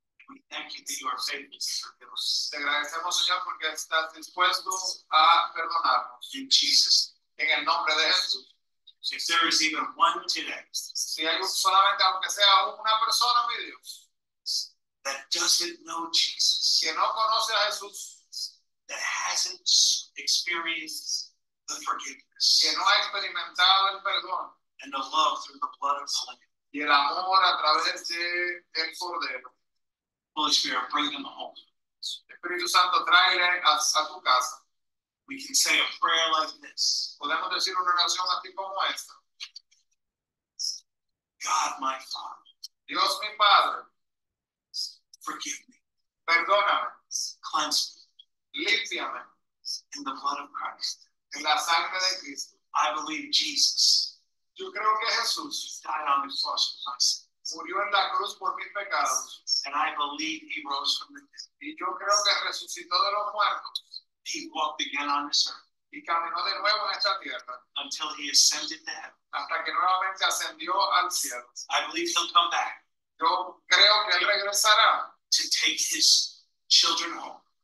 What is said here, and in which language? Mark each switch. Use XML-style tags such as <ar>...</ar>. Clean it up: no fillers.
<en>We thank you that you are faithful to forgive us.</en> <es>Te agradecemos, Señor, porque estás dispuesto a perdonarnos.</es> <en>In Jesus.</en> <es>En el nombre de Jesús.</es> <en>So if there is even one today.</en> <es>Si hay solamente aunque sea una persona, mi Dios.</es> <en>That doesn't know Jesus.</en> <es>Que no conoce a Jesús.</es> <en>That hasn't experienced the forgiveness.</en> <es>Que no ha experimentado el perdón.</es> <en>And the love through the blood of the Lamb.</en> <es>Y el amor a través de el cordero.</es> <en>Holy Spirit, bring them home.</en> <es>Espíritu Santo, tráele a tu casa.</es> <en>We can say a prayer like this.</en> <es>Podemos decir una oración así como esta.</es> <en>God, my Father.</en> <es>Dios, mi Padre.</es> <en>Forgive me.</en> <es>Perdóname.</es> <en>Cleanse me.</en> <es>Límpiame.</es> <en>In the blood of Christ.</en> <es>En la sangre de Cristo.</es> <en>I believe Jesus.</en> <es>Yo creo que Jesús.</es> <en>Died on the cross for my sins.</en> <es>Murió en la cruz por mis pecados.</es> <en>And I believe he rose from the dead.</en> <es>Y yo creo que resucitó de los muertos.</es> <en>He walked again on this earth.</en> <es>Y caminó de nuevo en esta tierra.</es> <en>Until he ascended to heaven.</en> <es>Hasta que nuevamente ascendió al cielo.</es> <en>I believe he'll come back.</en> <es>Yo creo que él regresará.</es> <en>To take his children home.</en>